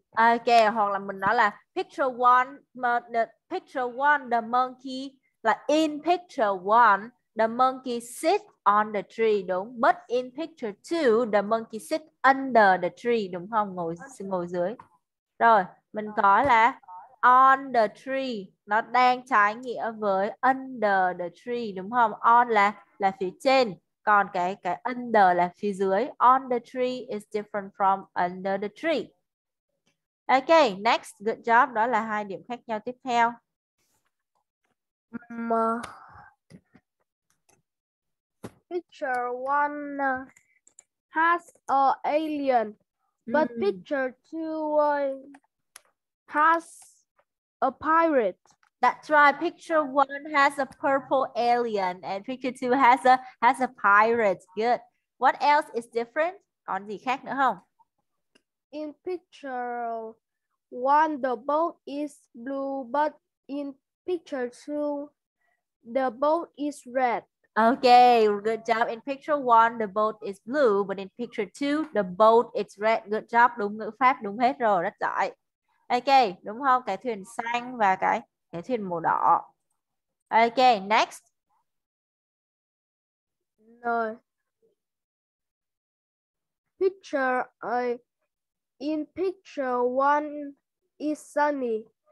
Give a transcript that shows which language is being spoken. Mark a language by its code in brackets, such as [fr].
[en] Okay, [vi] hoặc là mình nói là [en] picture one the monkey, là in picture one the monkey sit on the tree, đúng, but in picture two the monkey sit under the tree, [vi] đúng không, ngồi dưới. Rồi mình có là [en] on the tree, [vi] nó đang trái nghĩa với [en] under the tree, [vi] đúng không? On là phía trên. Còn cái under là phía dưới. [en] On the tree is different from under the tree. Okay, next, good job. [vi] Đó là hai điểm khác nhau tiếp theo. [en] Picture one has a alien, but picture two has a pirate. That's right. Picture one has a purple alien and picture two has a pirate. Good. What else is different? [vi] Còn gì khác nữa không? [en] In picture one, the boat is blue, but in picture two, the boat is red. Okay, good job. In picture one, the boat is blue, but in picture two, the boat is red. Good job. [vi] Đúng ngữ pháp, đúng hết rồi. Rất giỏi. Okay, đúng không? Cái thuyền xanh và cái thuyền màu đỏ. [en] Okay, next. No. Picture, in picture one is sunny,